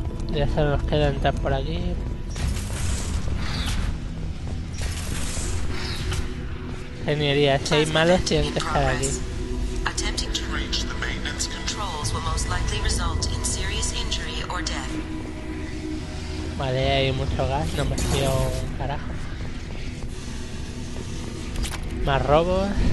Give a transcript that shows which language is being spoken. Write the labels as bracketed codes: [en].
[es] Ya se nos queda entrar por aquí. Ingeniería, si hay malos tienen que estar aquí. [en] Attempting to reach the maintenance controls will most likely result in serious injury or death. [es] Vale, hay mucho gas, no me fío un carajo. Más robos.